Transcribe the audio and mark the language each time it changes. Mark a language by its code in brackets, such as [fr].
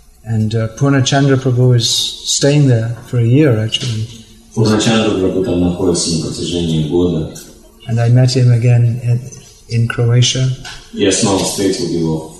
[en] And Purnachandra Prabhu is staying there for a year, actually. [ru] Purnachandra Prabhu там находится на протяжении года. [en] And I met him again in Croatia. Yes, no, state will be well.